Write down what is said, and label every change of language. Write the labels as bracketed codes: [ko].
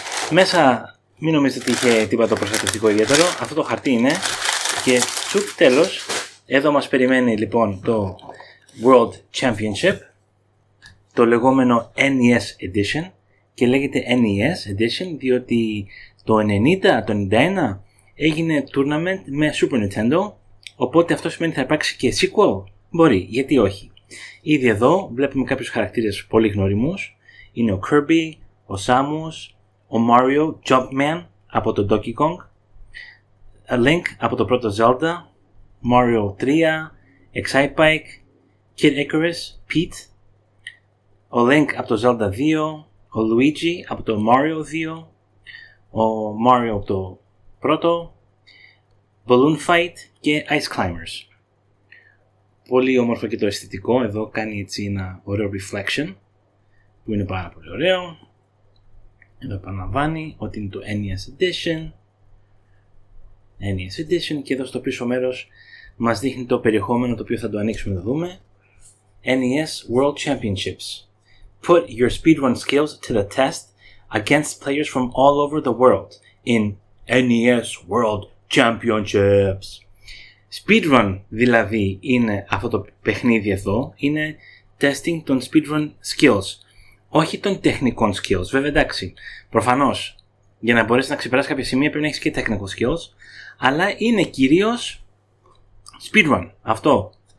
[el] Μέσα μην νομίζετε ότι είχε τίποτα προστατευτικό ιδιαίτερο, αυτό το χαρτί είναι και τσουπ τέλος, εδώ μας περιμένει λοιπόν το World Championship, το λεγόμενο NES Edition και λέγεται NES Edition διότι το 90, το 91 έγινε tournament με Super Nintendo, οπότε αυτό σημαίνει θα υπάρξει και sequel. Μπορεί, γιατί όχι. Ήδη εδώ βλέπουμε κάποιους χαρακτήρες πολύ γνωριμούς. Είναι ο Kirby, ο Samus, ο Mario, Jumpman από το Donkey Kong, a Link από το πρώτο Zelda, Mario 3, Excitebike, Kid Icarus, Pete, ο Link από το Zelda 2, ο Luigi από το Mario 2, ο Mario από το πρώτο, Balloon Fight και Ice Climbers. Πολύ όμορφο και το αισθητικό, εδώ κάνει έτσι ένα ωραίο reflection, που είναι πάρα πολύ ωραίο. Εδώ επαναλαμβάνει ότι είναι το NES Edition. NES Edition και εδώ στο πίσω μέρος μας δείχνει το περιεχόμενο το οποίο θα το ανοίξουμε να δούμε. [en] NES World Championships. Put your speedrun skills to the test against players from all over the world in NES World Championships. [el] Speedrun δηλαδή είναι αυτό το παιχνίδι εδώ, είναι testing των speedrun skills, όχι των τεχνικών skills. Βέβαια εντάξει, προφανώς για να μπορέσεις να ξεπεράσεις κάποια σημεία πρέπει να έχεις και technical skills, αλλά είναι κυρίως speedrun αυτό.